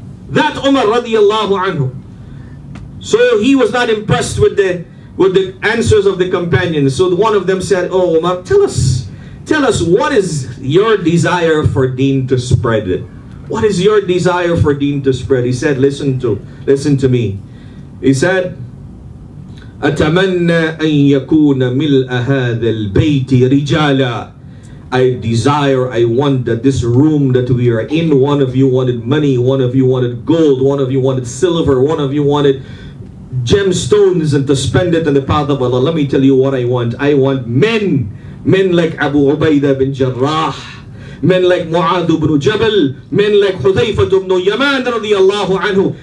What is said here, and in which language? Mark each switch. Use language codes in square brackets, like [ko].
[en] That Umar radiallahu anhu. So he was not impressed with the answers of the companions. So one of them said, Oh Umar, tell us what is your desire for deen to spread? What is your desire for deen to spread? He said, Listen to me. He said, [ar] أَتَمَنَّى أَن يَكُونَ مِلْأَ هَذَا الْبَيْتِ رِجَالًا. [en] I want that this room that we are in, one of you wanted money, one of you wanted gold, one of you wanted silver, one of you wanted gemstones and to spend it in the path of Allah. Let me tell you what I want. I want men like Abu Ubaidah bin Jarrah, men like Mu'adh ibn Jabal, men like Hudhayfah ibn Yaman radiallahu anhu.